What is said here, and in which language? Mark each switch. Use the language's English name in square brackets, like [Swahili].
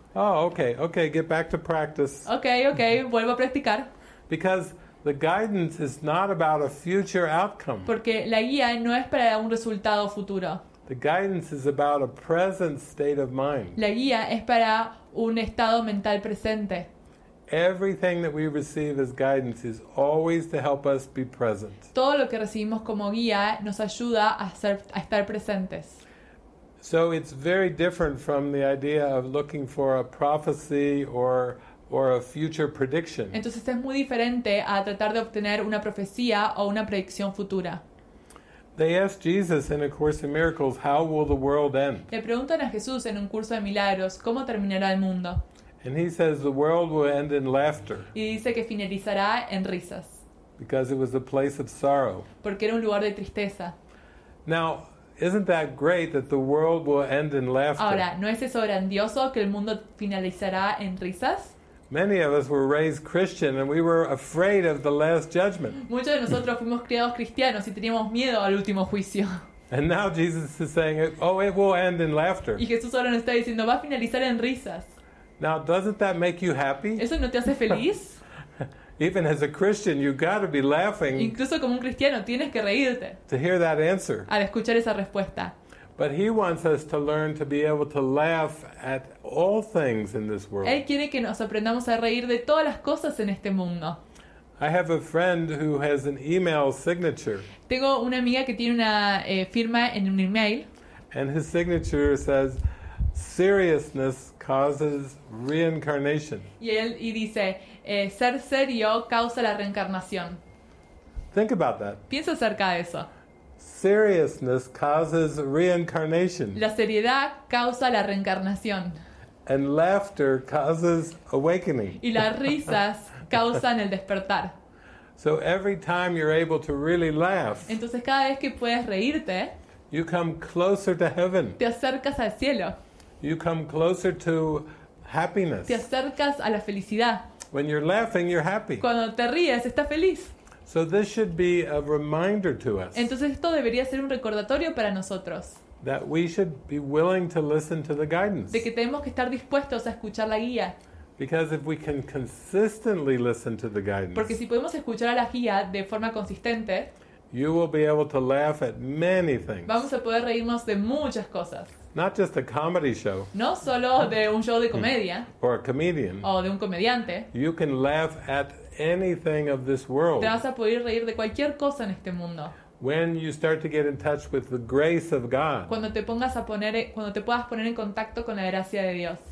[English] Oh, okay, get back to practice. [Spanish] Okay, vuelvo a practicar. [English] Because the guidance is not about a future outcome. [Spanish] Porque la guía no es para un resultado futuro. [English] The guidance is about a present state of mind. [Spanish] La guía es para un estado mental presente. [English] Everything that we receive as guidance is always to help us be present. [Spanish] Todo lo que recibimos como guía nos ayuda a estar presentes. [English] So it's very different from the idea of looking for a prophecy or a future prediction. [Spanish] Entonces es muy diferente a tratar de obtener una profecía o una predicción futura. [English] They asked Jesus in A Course in Miracles, "How will the world end?" [Spanish] Le preguntan a Jesús en un curso de milagros, ¿cómo terminará el mundo? [English] And he says the world will end in laughter. [Spanish] Y dice que finalizará en risas. [English] Because it was a place of sorrow. [Spanish] Porque era un lugar de tristeza. [English] Now, isn't that great that the world will end in laughter? [Spanish] Ahora, ¿no es eso grandioso que el mundo finalizará en risas? [English] Many of us were raised Christian and we were afraid of the last judgment. [Spanish] Muchos de nosotros fuimos criados cristianos y teníamos miedo al último juicio. [English] And now Jesus is saying, "Oh, it will end in laughter." [Spanish] Y Jesús ahora nos está diciendo, va a finalizar en risas. [English] Now, doesn't that make you happy? [Spanish] ¿Eso no te hace feliz? [English] Even as a Christian, you've got to be laughing. [Spanish] Incluso como un cristiano, tienes que reírte. [English] To hear that answer. [Spanish] Al escuchar esa respuesta. [English] But he wants us to learn to be able to laugh at all things in this world. [Spanish] Él quiere que nos aprendamos a reír de todas las cosas en este mundo. [English] I have a friend who has an email signature. [Spanish] Tengo una amiga que tiene una firma en un email. [English] And his signature says, "Seriousness causes reincarnation." [Spanish] Y dice, ser serio causa la reencarnación. [English] Think about that. [Spanish] Piensa acerca de eso. [English] Seriousness causes reincarnation. [Spanish] La seriedad causa la reencarnación. [English] And laughter causes awakening. [Spanish] Y las risas causan el despertar. [English] So every time you're able to really laugh. [Spanish] Entonces cada vez que puedes reírte. [English] You come closer to heaven. [Spanish] Te acercas al cielo. [English] You come closer to happiness. [Spanish] Te acercas a la felicidad. [English] When you're laughing, you're happy. [Spanish] Cuando te ríes, estás feliz. [English] So this should be a reminder to us. [Spanish] Entonces esto debería ser un recordatorio para nosotros. [English] That we should be willing to listen to the guidance. [Spanish] De que tenemos que estar dispuestos a escuchar la guía. [English] Because if we can consistently listen to the guidance. [Spanish] Porque si podemos escuchar a la guía de forma consistente. [English] You will be able to laugh at many things. [Spanish] Vamos a poder reírnos de muchas cosas. [English] Not just a comedy show. [Spanish] No solo de un show de comedia. [English] Or a comedian. [Spanish] O de un comediante. [English] You can laugh at anything of this world. [Spanish] Te vas a poder reír de cualquier cosa en este mundo. [English] When you start to get in touch with the grace of God. [Spanish] Cuando te puedas poner en contacto con la gracia de Dios.